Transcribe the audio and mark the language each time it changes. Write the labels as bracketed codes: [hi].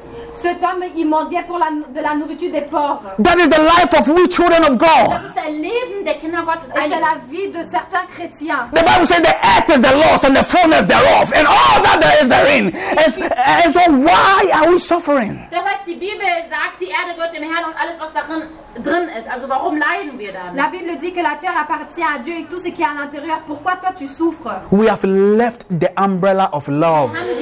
[fr] Cet homme, il mendiait pour de la nourriture des porcs. [en] That is the life of we children of God. [fr] C'est la vie de certains chrétiens. [en] The Bible says the earth is the Lord's and the fullness thereof, and all that there is therein. And so why are we suffering? [de] Das heißt, die Bibel sagt, die Erde gehört dem Herrn und alles, was darin drin ist. Also warum leiden wir dann? [fr] La Bible dit que la terre appartient à Dieu et tout ce qui est à l'intérieur. Pourquoi toi tu souffres? [en] We have left the umbrella of love.